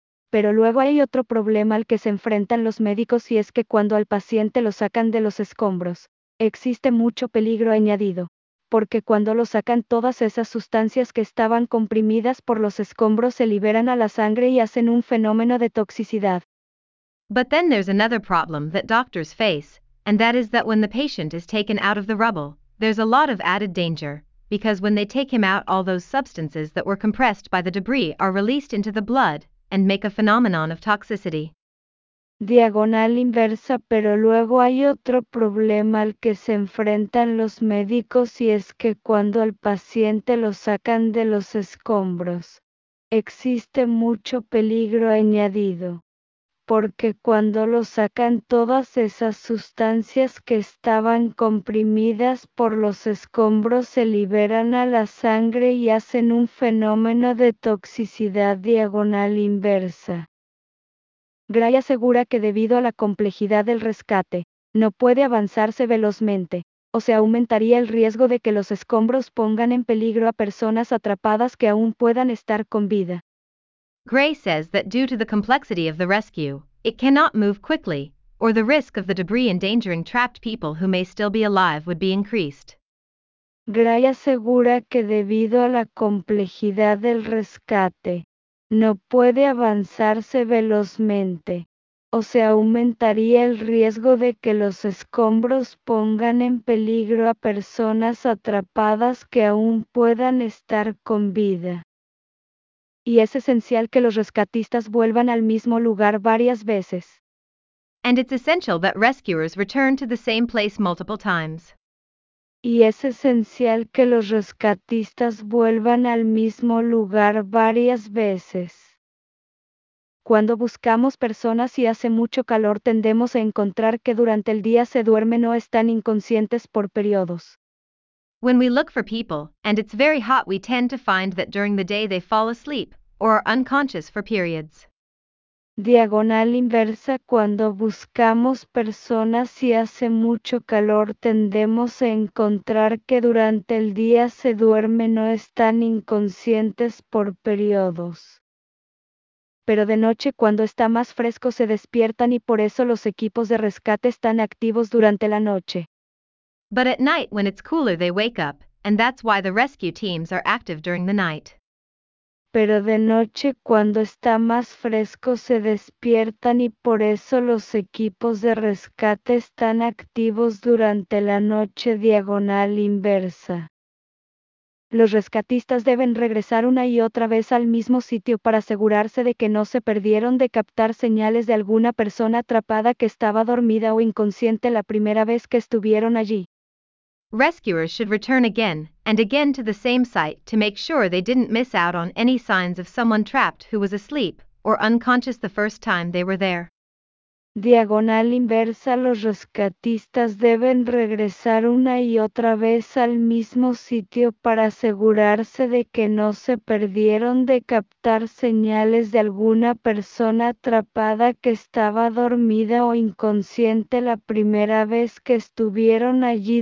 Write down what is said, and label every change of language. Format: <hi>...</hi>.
<es>Pero luego hay otro problema al que se enfrentan los médicos y es que cuando al paciente lo sacan de los escombros, existe mucho peligro añadido. Porque cuando lo sacan, todas esas sustancias que estaban comprimidas por los escombros se liberan a la sangre y hacen un fenómeno de toxicidad.</es> <en>But then there's another problem that doctors face, and that is that when the patient is taken out of the rubble, there's a lot of added danger, because when they take him out, all those substances that were compressed by the debris are released into the blood and make a phenomenon of toxicity.</en> <es>Diagonal inversa, pero luego hay otro problema al que se enfrentan los médicos y es que cuando al paciente lo sacan de los escombros, existe mucho peligro añadido, porque cuando lo sacan todas esas sustancias que estaban comprimidas por los escombros se liberan a la sangre y hacen un fenómeno de toxicidad diagonal inversa. Gray asegura que debido a la complejidad del rescate, no puede avanzarse velozmente, o se aumentaría el riesgo de que los escombros pongan en peligro a personas atrapadas que aún puedan estar con vida.</es> <en>Gray says that due to the complexity of the rescue, it cannot move quickly, or the risk of the debris endangering trapped people who may still be alive would be increased.</en> <es>Gray asegura que debido a la complejidad del rescate, no puede avanzarse velozmente, o se aumentaría el riesgo de que los escombros pongan en peligro a personas atrapadas que aún puedan estar con vida. Y es esencial que los rescatistas vuelvan al mismo lugar varias veces.</es> <en>And it's essential that rescuers return to the same place multiple times.</en> <es>Y es esencial que los rescatistas vuelvan al mismo lugar varias veces. Cuando buscamos personas y hace mucho calor, tendemos a encontrar que durante el día se duermen o están inconscientes por periodos.</es> <en>When we look for people, and it's very hot, we tend to find that during the day they fall asleep, or are unconscious for periods.</en> <es>Diagonal inversa, cuando buscamos personas y hace mucho calor, tendemos a encontrar que durante el día se duermen o están inconscientes por periodos. Pero de noche, cuando está más fresco, se despiertan y por eso los equipos de rescate están activos durante la noche.</es> <en>But at night when it's cooler they wake up, and that's why the rescue teams are active during the night.</en> <es>Pero de noche cuando está más fresco se despiertan y por eso los equipos de rescate están activos durante la noche diagonal inversa. Los rescatistas deben regresar una y otra vez al mismo sitio para asegurarse de que no se perdieron de captar señales de alguna persona atrapada que estaba dormida o inconsciente la primera vez que estuvieron allí.</es> <en>Rescuers should return again and again to the same site to make sure they didn't miss out on any signs of someone trapped who was asleep or unconscious the first time they were there.</en> <es>Diagonal inversa, los rescatistas deben regresar una y otra vez al mismo sitio para asegurarse de que no se perdieron de captar señales de alguna persona atrapada que estaba dormida o inconsciente la primera vez que estuvieron allí.</es>